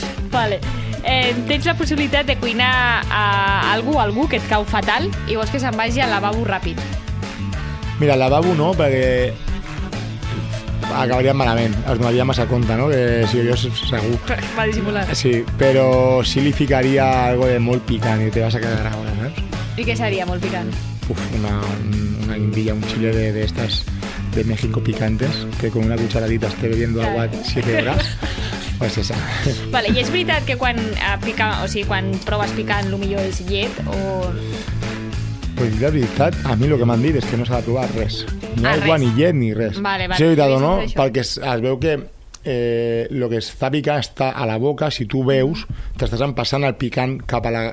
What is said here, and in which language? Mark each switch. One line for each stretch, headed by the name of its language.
Catalan: Vale. Tens la possibilitat de cuinar a algú que et cau fatal i vols que se'n vagi al lavabo ràpid. Mira, al lavabo no, perquè... acabaria malament, es donaria massa compte, no? Que si jo segur... Va dissimular. Sí, però sí li ficaria algo de molt picant i
Spanish: te vas a quedar a hora,
Catalan: saps? I què seria molt picant?
Spanish: Uf, una guindilla, un chile de estas de México picantes, que con una cucharadita esté bebiendo agua 7 horas, pues esa.
Catalan: Vale, i és veritat que quan pica, o sigui, quan proves picant, el millor és llet o... Pues la veritat, a mi el que m'han dit és que no s'ha de provar res. Ni aigua, ni llet, ni res. Vale. Si he evitat o no, perquè es veu que el que està picant està a la boca, si tu veus, t'estàs empassant el picant cap a la...